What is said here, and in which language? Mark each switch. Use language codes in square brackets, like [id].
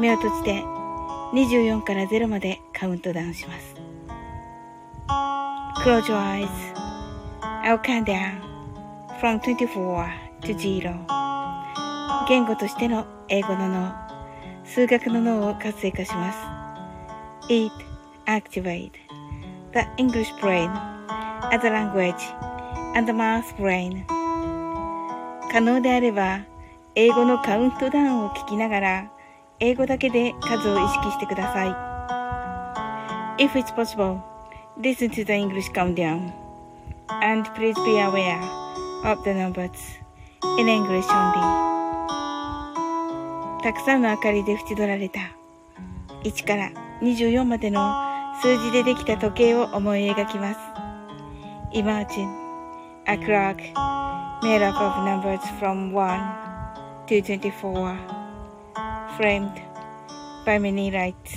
[ja] 目を閉じて、24から0までカウントダウンします。 [en] Close your eyes. I'll count down from 24 to 0. [ja] 言語としての英語の脳、数学の脳を活性化します。 [en] It activates the English brain as a language and the math brain. [ja] 可能であれば、英語のカウントダウンを聞きながら、英語だけで数を意識してください。 [en] If it's possible, listen to the English countdown. And please be aware of the numbers in English only. [ja] たくさんの明かりで縁取られた1から24までの数字でできた時計を思い描きます。 [en] Imagine a clock made up of numbers from 1 to 24, framed by many lights.